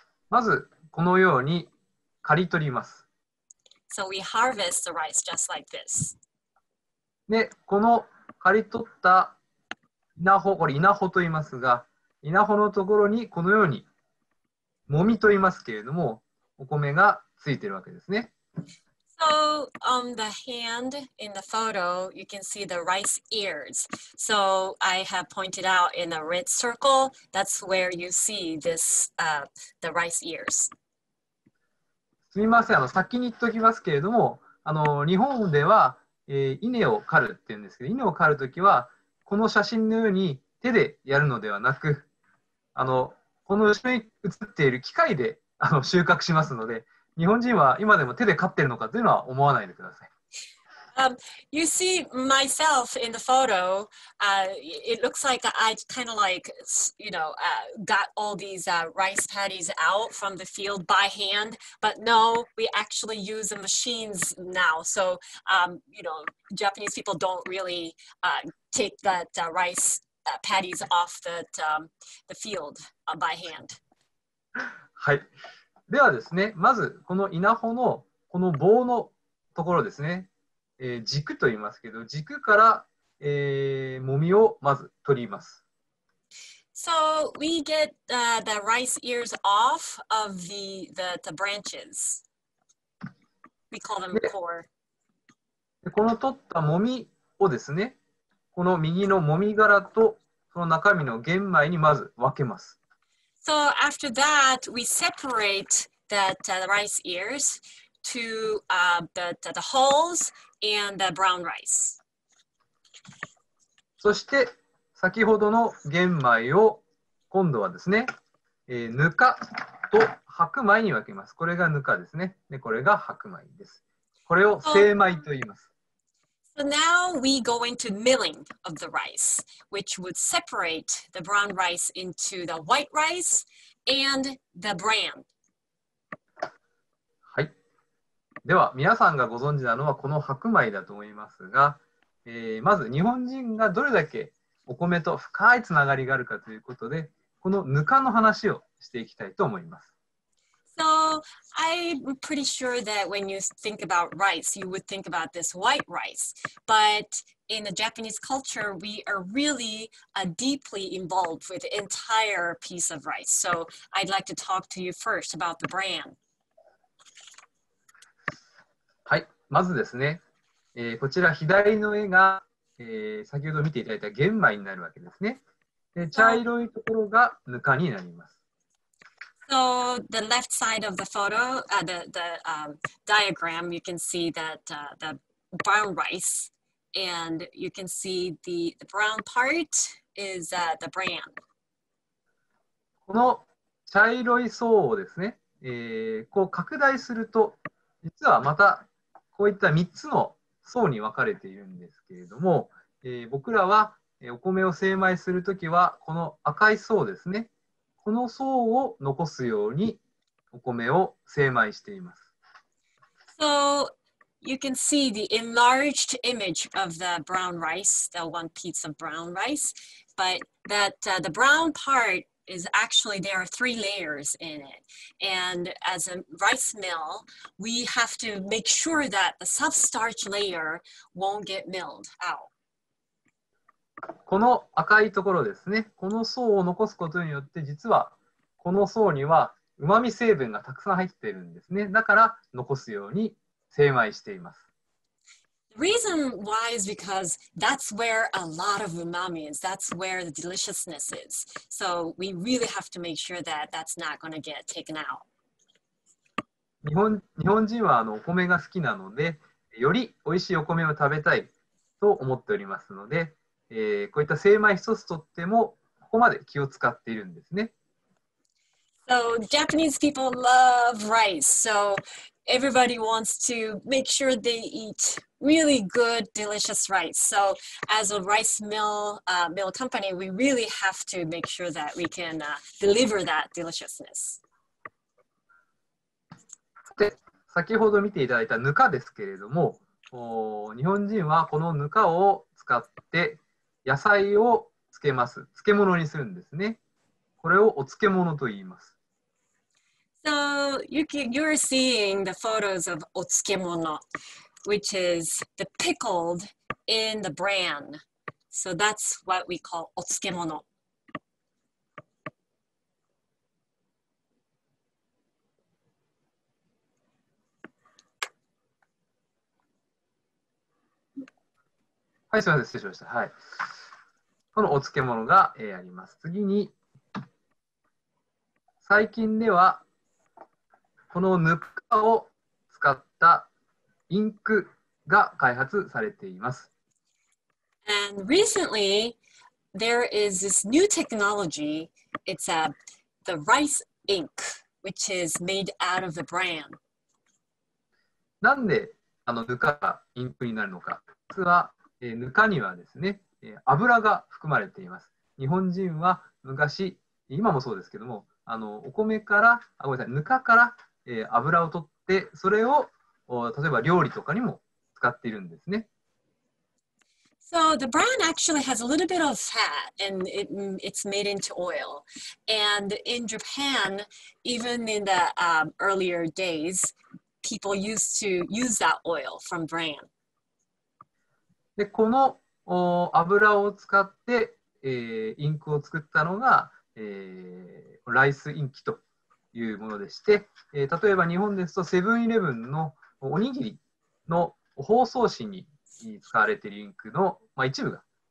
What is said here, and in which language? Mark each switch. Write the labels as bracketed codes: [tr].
[ja] まずこのように刈り取ります。 [en] So we harvest the rice just like this. [ja] で、この刈り取った稲穂、これ稲穂と言いますが、稲穂のところにこのようにもみと言いますけれども、お米がついているわけですね。 [en] So on the hand in the photo, you can see the rice ears. So I have pointed out in a red circle, that's where you see this, the rice ears. [ja] すみません、先に言っておきますけれども、日本では、稲を刈るって言うんですけど、稲を刈るときはこの写真のように手でやるのではなく、この後ろに写っている機械で収穫しますので、日本人は今でも手で飼ってるのかというのは思わないでください。 [en] You see myself in the photo. It looks like I kind of like, you know, got all these rice paddies out from the field by hand. But no, we actually use the machines now. So, you know, Japanese people don't really take that rice paddies off that, the field by hand. [ja] はい。ではですね、まずこの稲穂のこの棒のところですね、軸と言いますけど、軸から、もみをまず取ります。 [en] So we get the rice ears off of the branches. We call them core. [ja] でこの取ったもみをですね、この右のもみ殻とその中身の玄米にまず分けます。 [en] So after that, we separate that rice ears to the hulls and the brown rice. [ja] そして先ほどの玄米を今度はですね、ぬかと白米に分けます。これがぬかですね。で、これが白米です。これを精米と言います。 [en] So now we go into milling of the rice, which would separate the brown rice into the white rice and the bran. [ja] はい。では皆さんがご存知なのはこの白米だと思いますが、まず日本人がどれだけお米と深いつながりがあるかということで、このぬかの話をしていきたいと思います。 [en] So, I'm pretty sure that when you think about rice, you would think about this white rice. But in the Japanese culture, we are really deeply involved with the entire piece of rice. So, I'd like to talk to you first about the bran. [ja] はい、まずですね、こちら左の絵が、先ほど見ていただいた玄米になるわけですね。で、茶色いところがぬかになります。 [en] So the left side of the photo, diagram, you can see that the brown rice, and you can see the brown part is the bran. [ja] この茶色い層をですね、こう拡大すると、実はまたこういった3つの層に分かれているんですけれども、僕らはお米を精米するときはこの赤い層ですね。この層を残すようにお米を精米しています。 [en] So you can see the enlarged image of the brown rice, the one piece of brown rice, but that the brown part is actually there are three layers in it. And as a rice mill, we have to make sure that the substarch layer won't get milled out. [ja] この赤いところですね、この層を残すことによって、実はこの層にはうまみ成分がたくさん入っているんですね。だから残すように精米しています。 [en] The reason why is because that's where a lot of umami is. That's where the deliciousness is. So we really have to make sure that that's not going to get taken out. [ja] 日本人はお米が好きなので、よりおいしいお米を食べたいと思っておりますので、こういった精米一つとっても、ここまで気を使っているんですね。 [en] So, Japanese people love rice. So, everybody wants to make sure they eat really good, delicious rice. So, as a rice mill, mill company, we really have to make sure that we can deliver that deliciousness. [ja] で、先ほど見ていただいたぬかですけれども、日本人はこのぬかを使って、野菜をつけます。漬物にするんですね。これをお漬物と言います。 [en] So, you're seeing the photos of お漬物, which is the pickled in the bran. So that's what we call お漬物. [ja] はい、すみません、失礼しました。はい。このお漬物が、あります。次に、最近では、このぬかを使ったインクが開発されています。 [en] And recently, there is this new technology. It's the rice ink, which is made out of the bran. [ja] なんで、ぬかがインクになるのか。実は、ぬかにはですね、油が含まれています。日本人は昔、今もそうですけども、ぬかから、油を取って、それを例えば料理とかにも使っているんですね。 [en] So the bran actually has a little bit of fat and it's made into oil. And in Japan, even in the earlier days, people used to use that oil from bran. [ja] で、この油を使って、インクを作ったのが、ライスインキというものでして、例えば日本ですとセブンイレブンのおにぎりの包装紙に使われているインクの、一部が